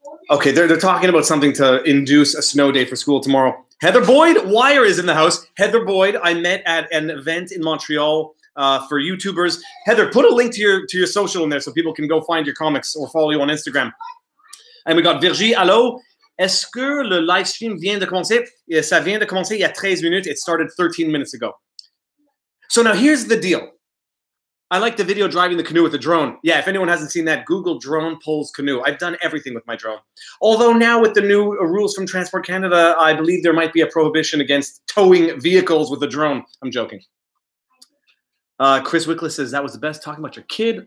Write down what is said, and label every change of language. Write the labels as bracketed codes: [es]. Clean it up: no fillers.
[en] Okay, they're talking about something to induce a snow day for school tomorrow. Heather Boyd Wire is in the house. Heather Boyd, I met at an event in Montreal for YouTubers. Heather, put a link to your social in there so people can go find your comics or follow you on Instagram. And we got Virgie. [fr] Allô, est-ce que le live stream vient de commencer? Ça vient de commencer il y a 13 minutes. [en] It started 13 minutes ago. So now here's the deal. I like the video driving the canoe with a drone. Yeah, if anyone hasn't seen that, Google drone pulls canoe. I've done everything with my drone. Although now with the new rules from Transport Canada, I believe there might be a prohibition against towing vehicles with a drone. I'm joking. Chris Wickless says, that was the best. Talking about your kid.